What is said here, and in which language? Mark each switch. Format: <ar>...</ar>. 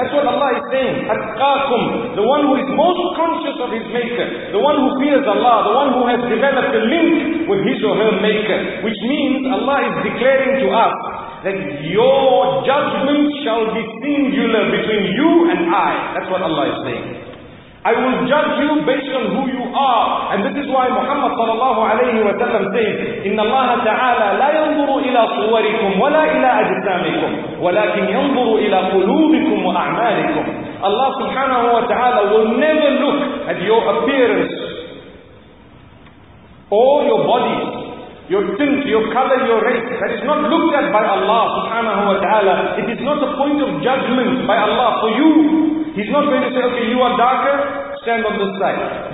<en>That's what Allah is saying. Atqakum, the one who is most conscious of his maker, the one who fears Allah, the one who has developed a link with his or her maker. Which means Allah is declaring to us that your judgment shall be singular between you and I. That's what Allah is saying. I will judge you based on who you are.</en> <ar>And this is why Muhammad sallallahu alayhi wa sallam says, إِنَّ اللَّهَ تَعَالَى لَا يَنْظُرُ إِلَىٰ صُوَرِكُمْ وَلَا إِلَىٰ أَجْسَامِكُمْ وَلَكِنْ يَنْظُرُ إِلَىٰ قُلُوبِكُمْ وَأَعْمَالِكُمْ.</ar> <en>Allah subhanahu wa ta'ala will never look at your appearance or your body, your tint, your color, your race. That is not looked at by Allah subhanahu wa ta'ala. It is not a point of judgment by Allah for you. He's not going to say, okay, you are darker, stand on this side.</en>